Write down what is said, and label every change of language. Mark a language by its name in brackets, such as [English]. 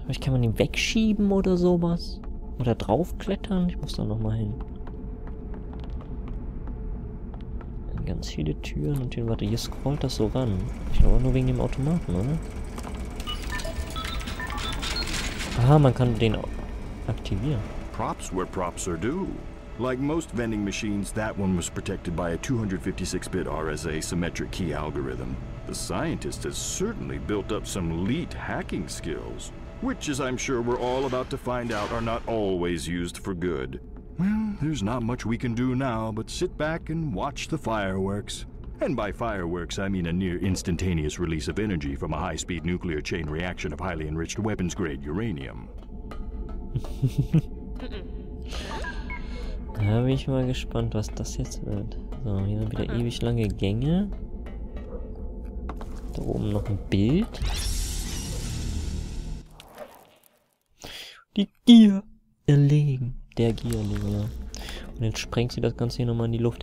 [German] Vielleicht kann man ihn wegschieben oder sowas. Oder draufklettern. Ich muss da nochmal hin. Ganz viele Türen und hier, warte, hier scrollt das so ran. Ich glaube nur wegen dem Automaten, oder? Aha, man kann den aktivieren. [English] Props where props are due. Like most vending machines, that one was protected by a 256-bit RSA symmetric key algorithm. The scientist has certainly built up some elite hacking skills, which, as I'm sure we're all about to find out, are not always used for good. Well, there's not much we can do now but sit back and watch the fireworks. And by fireworks, I mean a near instantaneous release of energy from a high-speed nuclear chain reaction of highly enriched weapons-grade uranium. [German] Da bin ich mal gespannt, was das jetzt wird. So, hier sind wieder ewig lange Gänge. Da oben noch ein Bild. Die Gier erlegen. Der Gier erlegen, ja. Und jetzt sprengt sie das Ganze hier nochmal in die Luft.